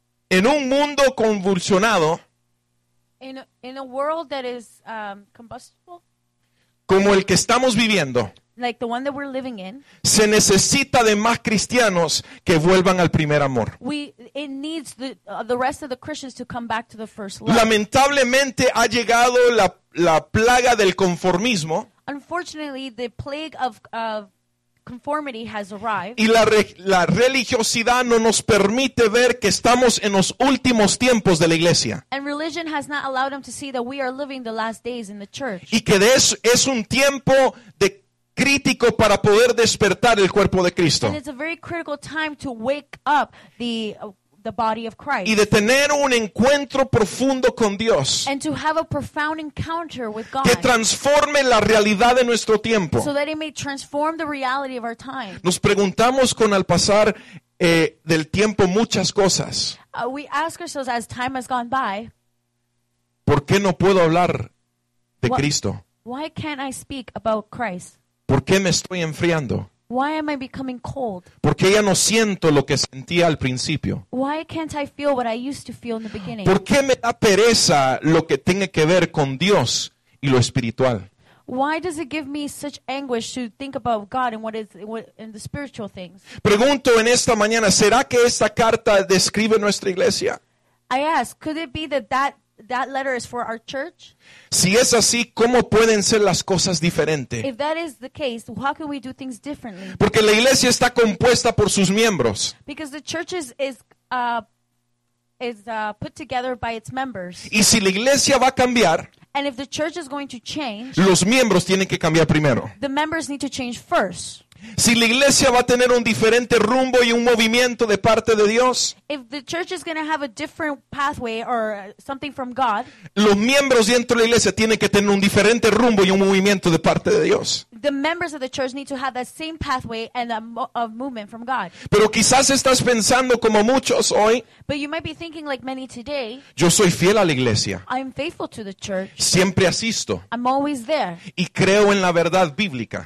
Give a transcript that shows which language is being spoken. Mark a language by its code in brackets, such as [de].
[es] En un mundo convulsionado, [en] in a world that is combustible, [es] como el que estamos viviendo, [en] like the one that we're living in, [es] se necesita de más cristianos que vuelvan al primer amor. [en] It needs the rest of the Christians to come back to the first love. [es] Lamentablemente ha llegado la plaga del conformismo. [en] Unfortunately, the plague of conformity has arrived. [es] Y la religiosidad no nos permite ver que estamos en los últimos tiempos de la iglesia. [en] And religion has not allowed them to see that we are living the last days in the church. [es] Y que es un tiempo de crítico para poder despertar el cuerpo de Cristo. [en] And it's a very critical time to wake up the body of Christ. [es] Y de tener un encuentro profundo con Dios. [en] And to have a profound encounter with God. [es] Que transforme la realidad de nuestro tiempo. [en] So that it may transform the reality of our time. [es] Nos preguntamos con al pasar del tiempo muchas cosas. [en] We ask ourselves as time has gone by. [es] ¿Por qué no puedo hablar de Cristo? [en] Why can't I speak about Christ? [es] ¿Por qué me estoy enfriando? [en] Why am I becoming cold? [es] ¿Por qué ya no siento lo que sentía al principio? [en] Why can't I feel what I used to feel in the beginning? [es] ¿Por qué me da pereza lo que tiene que ver con Dios y lo espiritual? [en] Why does it give me such anguish to think about God and in the spiritual things? [es] Pregunto en esta mañana, ¿será que esta carta describe nuestra iglesia? [en] I ask, could it be that letter is for our church? [es] Si es así, ¿cómo pueden ser las cosas diferentes? [en] If that is the case, how can we do things differently? [es] Porque la iglesia está compuesta por sus miembros. [en] Because the church is put together by its members. [es] Y si la iglesia va a cambiar, [en] and if the church is going to change, [es] los miembros tienen que cambiar primero. [en] The members need to change first. [es] Si la iglesia va a tener un diferente rumbo y un movimiento de parte de Dios, [en] if the church is going to have a different pathway or something from God, [es] los miembros dentro de la iglesia tienen que tener un diferente rumbo y un movimiento de parte de Dios. [en] The members of the church need to have that same pathway and a movement from God. [es] Pero quizás estás pensando como muchos hoy, [en] but you might be thinking like many today, [es] yo soy fiel a la iglesia. [en] I'm faithful to the church. [es] Siempre asisto. [en] I'm always there. [es] Y creo en la verdad bíblica.